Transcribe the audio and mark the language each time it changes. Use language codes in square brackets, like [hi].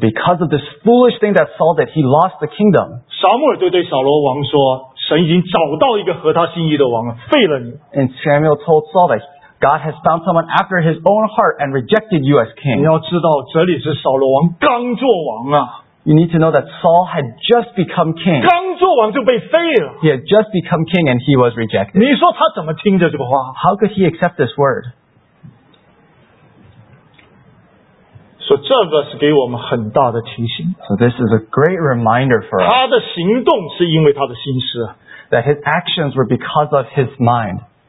[en] because of this foolish thing that Saul did, he lost the kingdom. [zh] 撒母耳就对扫罗王说：“神已经找到一个合他心意的王了，废了你。” [en] And Samuel told Saul that God has found someone after His own heart and rejected you as king. [zh] 你要知道，这里是扫罗王刚做王啊。 [en] You need to know that Saul had just become king. [zh] 刚做王就被废了。 [en] He had just become king and he was rejected. [zh] 你说他怎么听着这个话？ [en] How could he accept this word? [zh] 所以这个是给我们很大的提醒。 [en] So this is a great reminder for us. [zh] 他的行动是因为他的心思。 [en] That his actions were because of his mind.